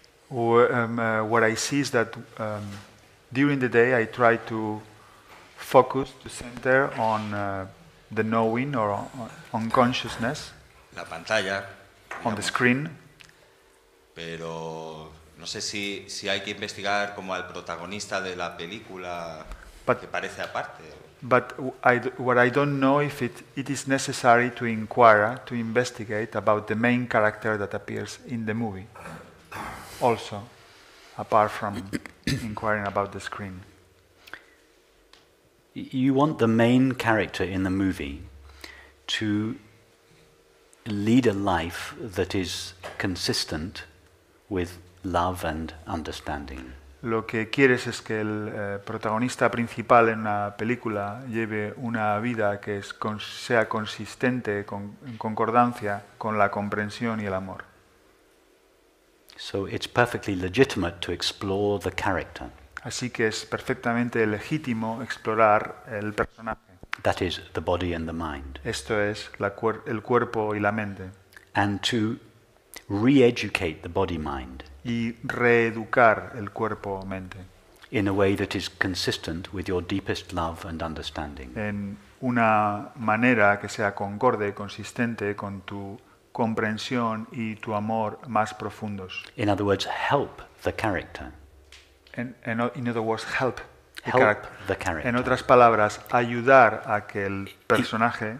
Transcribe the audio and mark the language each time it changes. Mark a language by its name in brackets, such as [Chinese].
[English] What I see is that during the day I try to focus, to center on the knowing or on consciousness. [Spanish] La pantalla, digamos, [English] on the screen. [Spanish] Pero no sé si hay que investigar como al protagonista de la película, [English] but, [Spanish] que parece aparte. [English] But what I don't know if it is necessary to inquire, to investigate about the main character that appears in the movie. Also, apart from inquiring about the screen. You want the main character in the movie to lead a life that is consistent with love and understanding. [Spanish] Lo que quieres es que el protagonista principal en una película lleve una vida que sea consistente en concordancia con la comprensión y el amor. [English] So it's perfectly legitimate to explore the character. [Spanish] Así que es perfectamente legítimo explorar el personaje. [English] That is the body and the mind. [Spanish] Esto es el cuerpo y la mente. [English] And to re-educate the body-mind. [Spanish] Y reeducar el cuerpo-mente. [English] In a way that is consistent with your deepest love and understanding. [Spanish] En una manera que sea concorde, consistente con tu comprensión y tu amor más profundos. [English] In other words, help the character. In other words, help the character. Help the character. [Spanish] En otras palabras, ayudar a que el personaje.